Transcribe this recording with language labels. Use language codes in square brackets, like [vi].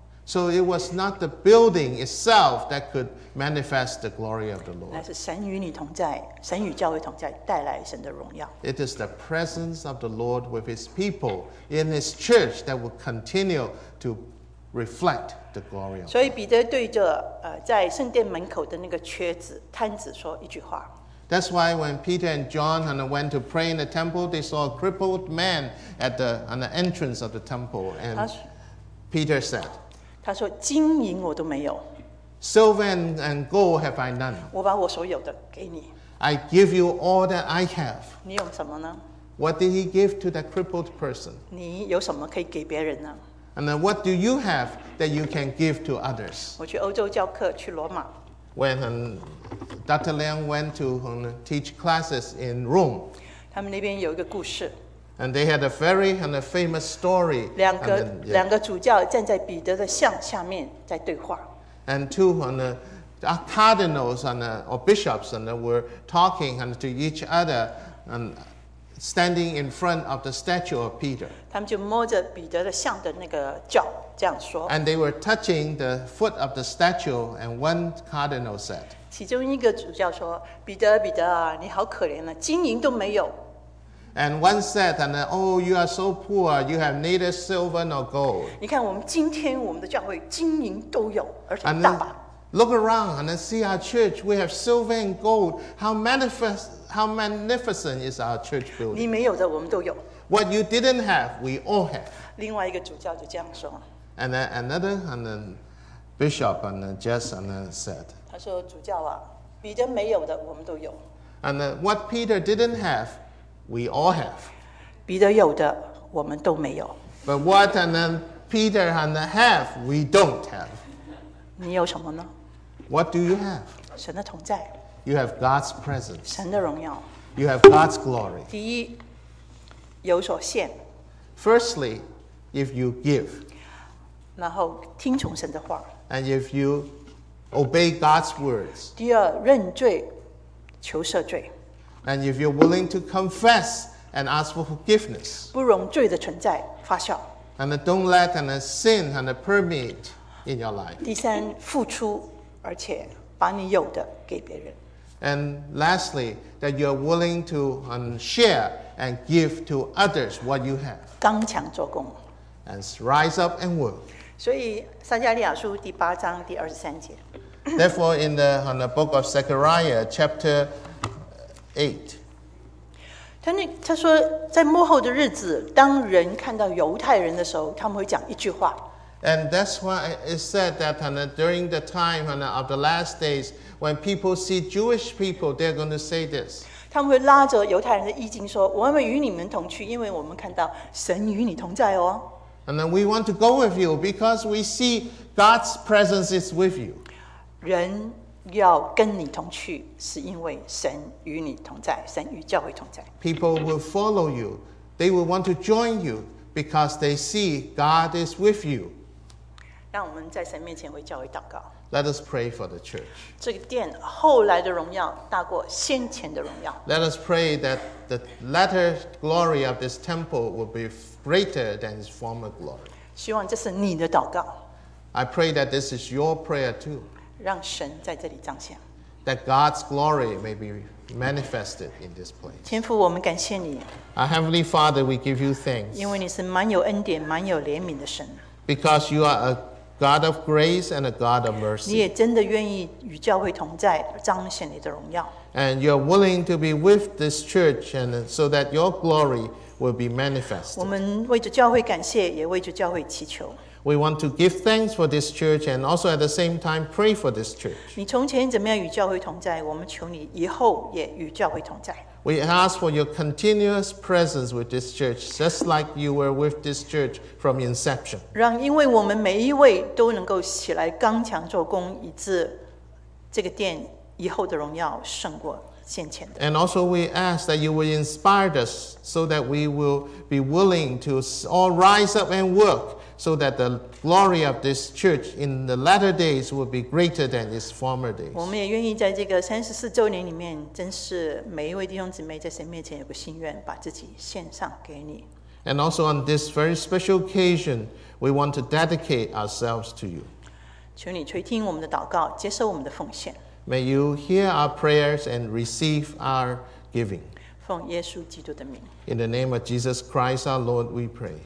[en] So it was not the building itself that could manifest the glory of the Lord. [zh] 乃是神与你同在，神与教会同在，带来神的荣耀。 [en] It is the presence of the Lord with His people in His church that will continue to reflect the glory of God. [zh] 所以彼得对着在圣殿门口的那个瘸子、瘫子说一句话。 [en] That's why when Peter and John went to pray in the temple, they saw a crippled man on the entrance of the temple, and Peter said. [zh] 他说：“金银我都没有。” [en] Silver and gold have I none. [zh] 我把我所有的给你。 [en] I give you all that I have. [zh] 你有什么呢？ [en] What did he give to that crippled person? [zh] 你有什么可以给别人呢？ [en] And then what do you have that you can give to others? [zh] 我去欧洲教课，去罗马。 [en] When Dr. Liang went to teach classes in Rome. [zh] 他们那边有一个故事。 [en] And they had a very and a famous story. [zh] 两个主教站在彼得的像下面在对话。 [en] And two cardinals or bishops were talking to each other and standing in front of the statue of Peter. [zh] 他们就摸着彼得的像的那个脚这样说。 [en] And they were touching the foot of the statue, and one cardinal said. [zh] 其中一个主教说：“彼得啊，你好可怜啊，金银都没有。” [en] And one said, oh, you are so poor, you have neither silver nor gold. [zh] 你看我们今天我们的教会金银都有，而且大把。 [en] Look around and see our church, we have silver and gold. How magnificent is our church building? [zh] 你没有的我们都有。 [en] What you didn't have, we all have. [zh] 另外一个主教就这样说。 [en] And then another bishop just said, [zh] 他说主教啊，彼得没有的我们都有。 [en] And what Peter didn't have,We all have. [zh] 彼得有的，我们都没有。 [en] But what and then Peter and have, we don't have. [zh] 你有什么呢? [en] What do you have? [zh] 神的同在。 [en] You have God's presence. [zh] 神的荣耀。 [en] You have God's glory. [zh] 第一，有所限。 [en] Firstly, if you give. [zh] 然后听从神的话。 [en] And if you obey God's words. [zh] 第二，认罪，求赦罪。 [en] And if you're willing to confess and ask for forgiveness. [zh] 不容罪的存在发酵。 [en] And don't let and sin and permeate in your life. [zh] 第三，付出，而且把你有的给别人。 [en] And lastly, that you're willing to share and give to others what you have. [zh] 刚强做工。 [en] And rise up and work. [zh] 所以撒迦利亚书第八章第二十三节。 [en] Therefore, in the book of Zechariah, chapter 8, [zh] 他说在末后的日子当人看到犹太人的时候他们会讲一句话。 [en] And that's why it said that during the time of the last days, when people see Jewish people, they're going to say this. [zh] 他们会拉着犹太人的衣襟说我们与你们同去因为我们看到神与你同在哦。 [en] And then we want to go with you because we see God's presence is with you. [zh] 人要跟你同去是因为神与你同在神与教会同在。 [en] People will follow you. They will want to join you because they see God is with you. [zh] 让我们在神面前为教会祷告。 [en] Let us pray for the church. [zh] 这个殿后来的荣耀大过先前的荣耀。 [en] Let us pray that the latter glory of this temple will be greater than its former glory. [zh] 希望这是你的祷告。 [en] I pray that this is your prayer too. [zh] 让神在这里彰显。 [en] That God's glory may be manifested in this place. [zh] 天父，我们感谢你。 [en] Our Heavenly Father, we give you thanks. [zh] 因为你是满有恩典、满有怜悯的神。 [en] Because you are a God of grace and a God of mercy. [zh] 你也真的愿意与教会同在，彰显你的荣耀。 [en] And you are willing to be with this church, and so that your glory will be manifested. [zh] 我们为着教会感谢，也为着教会祈求。 [en] We want to give thanks for this church and also at the same time pray for this church. [zh] 你从前怎么样与教会同在，我们求你以后也与教会同在。 [en] We ask for your continuous presence with this church, just like you were with this church from inception. [zh] 让因为我们每一位都能够起来刚强做工，以致这个殿以后的荣耀胜过。 [en] And also we ask that you will inspire us so that we will be willing to all rise up and work so that the glory of this church in the latter days will be greater than its former days. [zh] 我们也愿意在这个三十四周年里面真是每一位弟兄姊妹在神面前有个心愿把自己献上给你。 [en] And also on this very special occasion, we want to dedicate ourselves to you. [zh] 求你垂听我们的祷告接受我们的奉献。 [en] May you hear our prayers and receive our giving. [zh] 奉耶稣基督的名。 [en] In the name of Jesus Christ, our Lord, we pray.